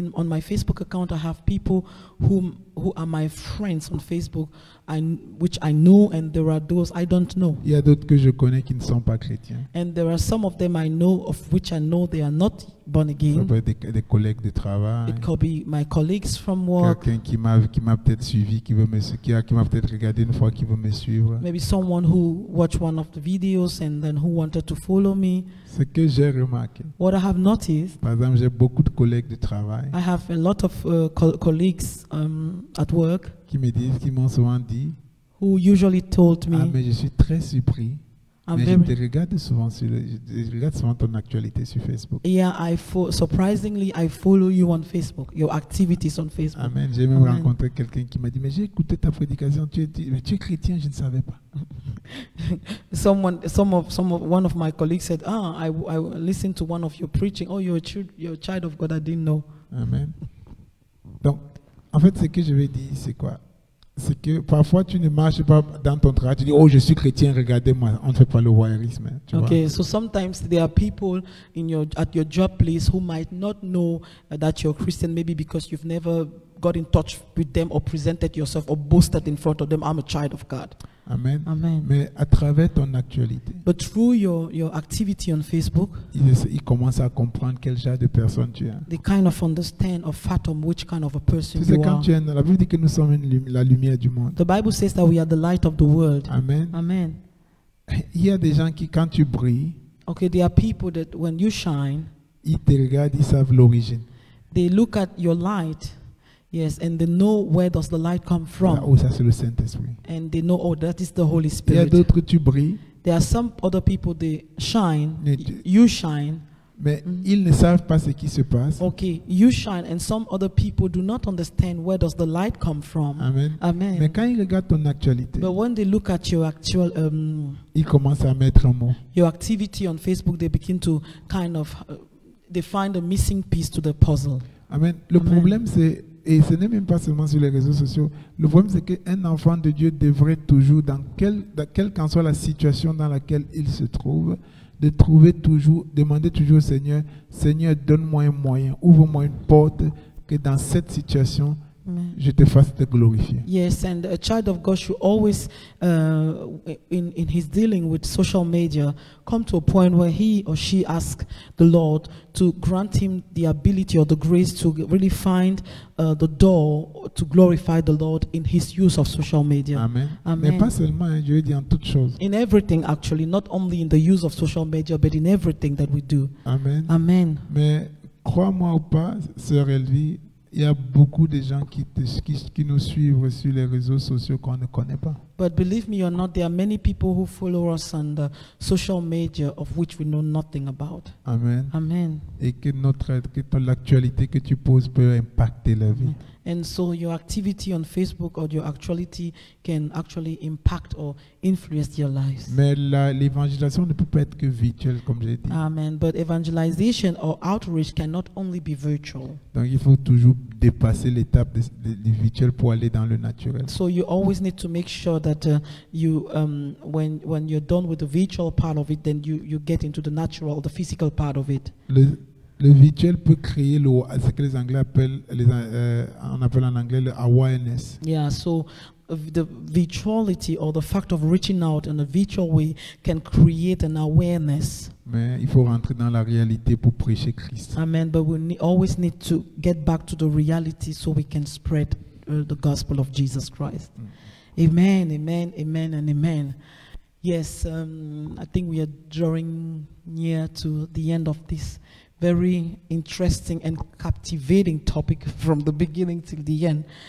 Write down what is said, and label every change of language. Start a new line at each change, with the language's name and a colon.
English: On my Facebook account, I have people who are my friends on Facebook, which I know, and there are those I don't know.
French: Il y a d'autres que je connais qui ne sont pas chrétiens.
English: And there are some of them I know, of which I know they are not born again.
French: Ça peut être des collègues de travail.
English: It could be my colleagues from work.
French: Quelqu'un qui m'a peut-être suivi, qui m'a peut-être regardé une fois, qui veut me suivre.
English: Maybe someone who watched one of the videos and then who wanted to follow me.
French: Ce que j'ai remarqué.
English: What I have noticed.
French: Par exemple, j'ai beaucoup de collègues de travail.
English: I have a lot of colleagues. At work,
French: qui me disent, qui m'ont souvent dit,
English: who usually told me,
French: ah, mais je suis très surpris, je regarde souvent ton actualité sur Facebook.
English: Yeah, surprisingly, I follow you on Facebook, your activities on Facebook. Amen.
French: J'ai même rencontré quelqu'un qui m'a dit, mais j'ai écouté ta prédication, tu es chrétien, je ne savais pas.
English: One of my colleagues said, ah, I listened to one of your preaching, oh, you're a child of God, I didn't know. Amen.
French: Donc, en fait, ce que je vais dire, c'est quoi? C'est que parfois, tu ne marches pas dans ton travail. Tu dis, oh, je suis chrétien, regardez-moi. On ne fait pas le voyeurisme.
English: Okay, so sometimes there are people at your job place who might not know that you're Christian, maybe because you've never got in touch with them or presented yourself or boasted in front of them, I'm a child of God. Amen. Amen.
French: Mais à travers ton actualité,
English: but through your activity on Facebook,
French: ils commencent à comprendre quel genre de personne tu es.
English: They kind of understand or fathom which kind of a person
French: tu sais,
English: you are.
French: Quand tu es, la Bible dit que nous sommes la lumière du monde.
English: The Bible says that we are the light of the world. Amen. Amen.
French: Il y a des gens qui, quand tu brilles,
English: okay, there are people that when you shine,
French: ils te regardent, ils savent l'origine.
English: They look at your light. Yes, and they know where does the light come from.
French: Ah, oh, ça c'est le Saint-Esprit.
English: And they know, oh, that is the Holy Spirit.
French: Il y a d'autres, tu brilles.
English: There are some other people, they shine, you shine.
French: Mais ils ne savent pas ce qui se passe.
English: Okay, you shine, and some other people do not understand where does the light come from. Amen. Amen.
French: Mais quand ils regardent ton actualité,
English: but when they look at your actual,
French: ils commencent à mettre un mot.
English: Your activity on Facebook, they begin to kind of, they find a missing piece to the puzzle. Amen.
French: Le problème, c'est, et ce n'est même pas seulement sur les réseaux sociaux. Le problème, c'est qu'un enfant de Dieu devrait toujours, quelle qu'en soit la situation dans laquelle il se trouve, de trouver toujours, demander toujours au Seigneur, Seigneur, donne-moi un moyen, ouvre-moi une porte, que dans cette situation, je te fasse te glorifier.
English: Yes, and a child of God should always, in his dealing with social media, come to a point where he or she asks the Lord to grant him the ability or the grace to really find the door to glorify the Lord in his use of social media. Amen. Amen.
French: Mais pas seulement, je veux dire en toutes choses.
English: In everything, actually, not only in the use of social media, but in everything that we do. Amen. Amen.
French: Mais crois-moi ou pas, sœur Elvie, il y a beaucoup de gens qui nous suivent sur les réseaux sociaux qu'on ne connaît pas.
English: But believe me or not, there are many people who follow us on the social media of which we know nothing about. Amen. Amen.
French: Et que l'actualité que tu poses peut impacter la vie.
English: And so your activity on Facebook or your actuality can actually impact or influence your lives.
French: Mais l'évangélisation ne peut pas être que virtuelle, comme j'ai dit.
English: Amen. But evangelization or outreach cannot only be virtual.
French: Donc il faut toujours dépasser l'étape du virtuel pour aller dans le naturel.
English: So you always need to make sure that when you're done with the virtual part of it, then you get into the natural, the physical part of it.
French: Le virtuel peut créer ce que les Anglais appellent, on appelle en anglais le awareness.
English: Yeah, so the virtuality or the fact of reaching out in a virtual way can create an awareness.
French: Mais il faut rentrer dans la réalité pour prêcher Christ.
English: Amen. But we always need to get back to the reality so we can spread the gospel of Jesus Christ. Mm-hmm. Amen. Amen. Amen. And amen. Yes, I think we are drawing near to the end of this very interesting and captivating topic from the beginning till the end.